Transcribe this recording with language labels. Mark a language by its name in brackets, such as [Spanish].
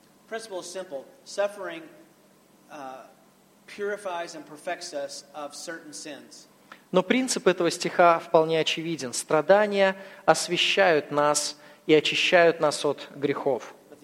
[English] Principle is simple. Suffering purifies and perfects us of certain sins. [Russian] Но принцип этого стиха вполне очевиден. Страдания освящают нас и очищают нас от грехов.